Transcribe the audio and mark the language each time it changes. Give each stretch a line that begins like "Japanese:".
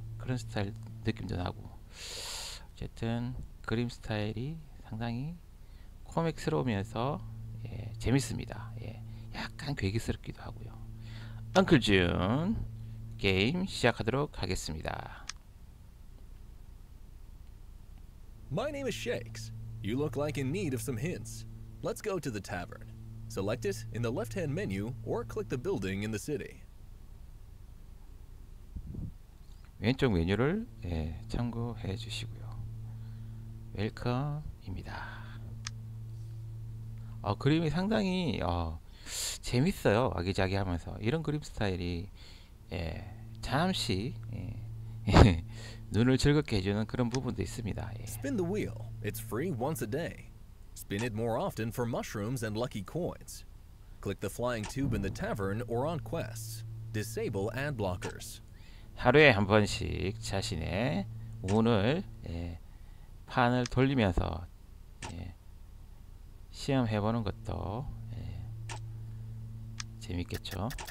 Korean: 그런 스타일 느낌도 나고. 어쨌든 그림 스타일이 상당히 코믹스러우면서 예, 재밌습니다. 예, 약간 괴기스럽기도 하고요. 언클 준 게임 시작하도록 하겠습니다.
English: My name is Shakes. You look like in need of some hints. Let's go to the tavern. Select it in the left-hand menu or click the building in the city.
Korean: 왼쪽 메뉴를 예, 참고해 주시고요. 웰컴입니다. 그림이 상당히 재밌어요. 아기자기 하면서 이런 그림 스타일이 예, 잠시 예, 눈을 즐겁게 해주는 그런 부분도 있습니다. 예.
English: Spin the wheel. It's free once a day. Spin it more often for mushrooms and lucky coins. Click the flying tube in the tavern or on quests. Disable ad blockers.
Korean: 하루에 한 번씩 자신의 운을 예, 판을 돌리면서 예. 시험해보는 것도 예, 재밌겠죠?